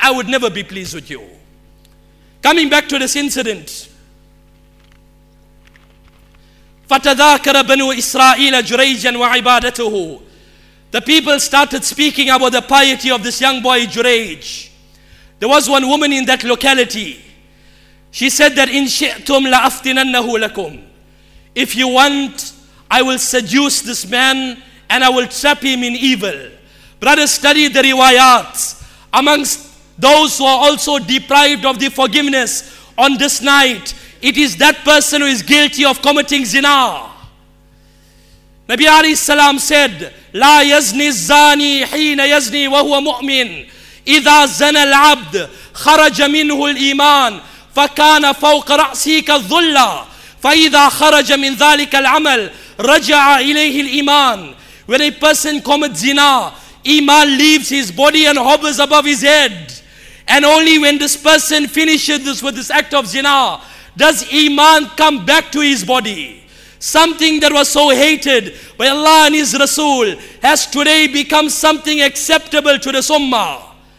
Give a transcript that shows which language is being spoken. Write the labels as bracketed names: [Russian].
[English] I would never be pleased with you. Coming back to this incident, [Arabic] فَتَذَاكَرَ بَنُوا إِسْرَائِيلَ جُرَيْجًا وَعِبَادَتُهُ. [English] The people started speaking about the piety of this young boy, Juraij. There was one woman in that locality. She said that, [Arabic] إِنْ شِئْتُمْ لَأَفْتِنَنَّهُ لَكُمْ. [English] If you want, I will seduce this man and I will trap him in evil. Brothers, study the riwayats. amongst those who are also deprived of the forgiveness on this night, it is that person who is guilty of committing zina. Nabi Ali Salam said, [Arabic] لا يزني الزاني حين يزني وهو مؤمن إذا زنى العبد خرج منه الإيمان فكان فوق رأسه كالظلة فإذا خرج من ذلك العمل رجع إليه الإيمان. [English] When a person commits zina, iman leaves his body and hovers above his head. And only when this person finishes this with this act of zina, does iman come back to his body. Something that was so hated by Allah and His Rasul has today become something acceptable to the Ummah.